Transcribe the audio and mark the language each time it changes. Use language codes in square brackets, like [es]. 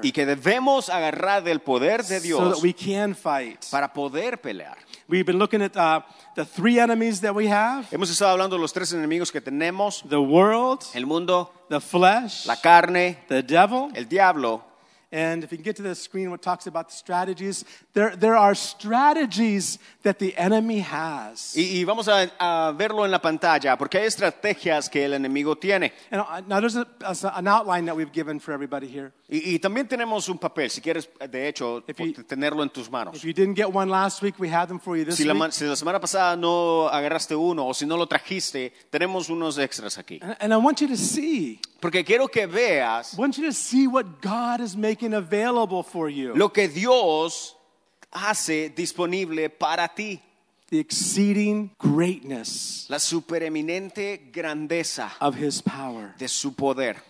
[es] Y que debemos agarrar del poder de Dios. [en] So that we can fight. [es] Para poder pelear. [en] We've been looking at the three enemies that we have. [es] Hemos estado hablando de los tres enemigos que tenemos. [en] The world. [es] El mundo. [en] The flesh. [es] La carne. [en] The devil. [es] El diablo. [en] And if you can get to the screen, what talks about the strategies, there are strategies that the enemy has. [es] Y vamos a verlo en la pantalla, porque hay estrategias que el enemigo tiene. [en] And, now there's an outline that we've given for everybody here. [es] Y también tenemos un papel, si quieres, de hecho, tenerlo en tus manos. [en] If you didn't get one last week, we have them for you this [es] si la, [en] week. [es] Si la semana pasada no agarraste uno, o si no lo trajiste, tenemos unos extras aquí. [en] And I want you to see. [es] Porque quiero que veas. [en] I want you to see what God is making available for you. [es] Lo que Dios hace disponible para ti. [en] The exceeding greatness. [es] La supereminente grandeza. [en] Of his power. [es] De su poder.